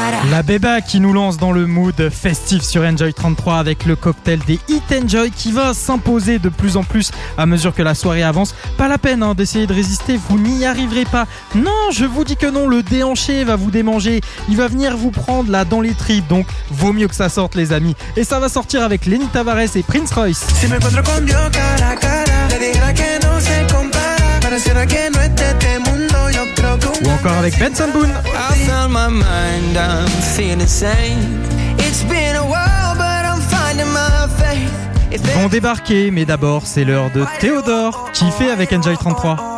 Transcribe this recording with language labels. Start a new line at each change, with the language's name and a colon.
French: La Beba qui nous lance dans le mood festif sur Enjoy 33 avec le cocktail des Hit Enjoy qui va s'imposer de plus en plus à mesure que la soirée avance. Pas la peine hein, d'essayer de résister, vous n'y arriverez pas. Non, je vous dis que non, le déhanché va vous démanger. Il va venir vous prendre là dans les tripes, donc vaut mieux que ça sorte les amis. Et ça va sortir avec Lenny Tavares et Prince Royce.
Spanish: Si me encuentro con Dios cara a cara, le dirá que no se compara. Pareciera que no es de este mundo, yo creo que un...
French: Ou encore avec Benson Boone.
English: I found my mind, I'm feeling sane. It's been a while, but I'm finding my faith.
French: Ils vont débarquer, mais d'abord, c'est l'heure de Théodore, qui fait avec Enjoy 33.